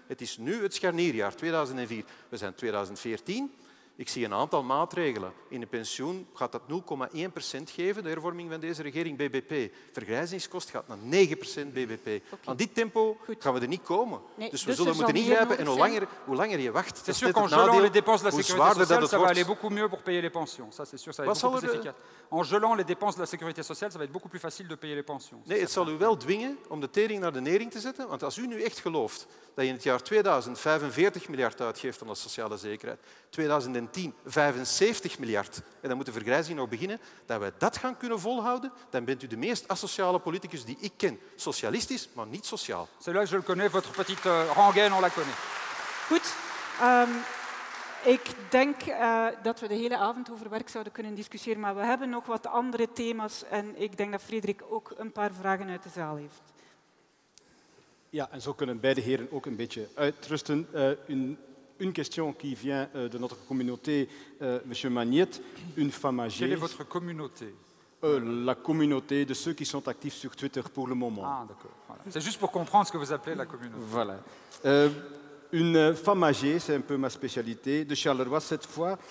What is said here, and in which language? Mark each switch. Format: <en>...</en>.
<nl>Het is nu het scharnierjaar, 2004. We zijn 2014. Ik zie een aantal maatregelen. In de pensioen gaat dat 0,1% geven, de hervorming van deze regering, BBP. Vergrijzingskost gaat naar 9% BBP. Okay. Aan dit tempo gaan we er niet komen. Nee, dus we zullen moeten ingrijpen. En hoe langer je wacht,</nl> <fr>c'est sûr, quand gelant les dépenses de la sécurité sociale, ça va aller beaucoup mieux pour payer les pensions. Ça, c'est sûr, ça va être beaucoup plus efficace. En gelant les dépenses de la sécurité sociale, ça va être beaucoup plus facile de payer les pensions.</fr> <nl>Nee, het zal u wel dwingen om de tering naar de nering te zetten. Want als u nu echt gelooft dat je in het jaar 2000 45 miljard uitgeeft aan de sociale zekerheid, 2010 75 miljard, en dan moet de vergrijzing nog beginnen, dat wij dat gaan kunnen volhouden, dan bent u de meest asociale politicus die ik ken. Socialistisch, maar niet sociaal.</nl> <fr>C'est là que je le connais, votre petite rengaine, on la connaît.</fr> <nl>Goed. Ik denk dat we de hele avond over werk zouden kunnen discussiëren, maar we hebben nog wat andere thema's en ik denk dat Frederik ook een paar vragen uit de zaal heeft. Ja, en zo kunnen beide heren ook een beetje uitrusten.</nl> <fr>Une question qui vient de notre communauté, monsieur Magnette, une femme âgée. Quelle est votre communauté? La communauté de ceux qui sont actifs sur Twitter pour le moment. Ah, d'accord. Voilà. C'est juste pour comprendre ce que vous appelez la communauté. Voilà. Une femme âgée, c'est un peu ma spécialité, de Charleroi cette fois.</fr>